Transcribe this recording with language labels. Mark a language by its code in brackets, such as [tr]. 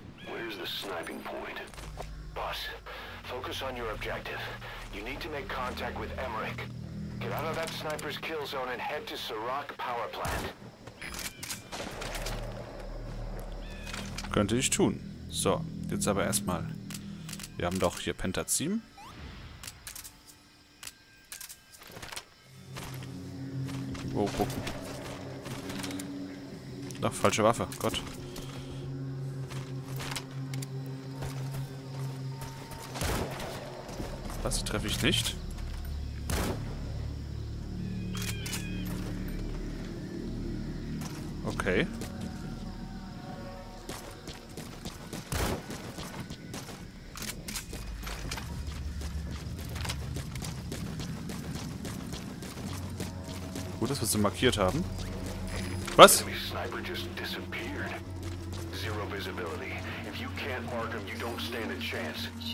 [en] Where's the sniping point? Boss, focus on your objective. You need to make contact with Emmerich. Get out of that sniper's kill zone and head to Serac Power Plant. [de] Könnte ich tun. So, jetzt aber erstmal. Wir haben doch hier Pentazim. Oh, guck. Doch, falsche Waffe. Gott. Das treffe ich nicht. Okay. Gut, dass wir sie markiert haben. Was? [en] Sniper just disappeared. Zero visibility. If you can't mark them, you don't stand a chance.